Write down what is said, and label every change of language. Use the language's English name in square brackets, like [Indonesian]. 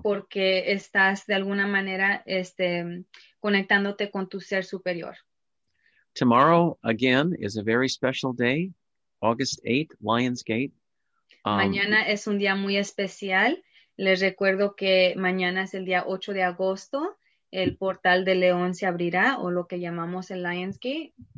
[Spanish] Porque estás de alguna manera conectándote con tu ser superior. [English] Tomorrow, again, is a very special day, August 8th, Lionsgate. [Spanish] Mañana es un día muy especial. Les recuerdo que mañana es el día 8 de agosto. El portal de León se abrirá, o lo que llamamos el Lionsgate.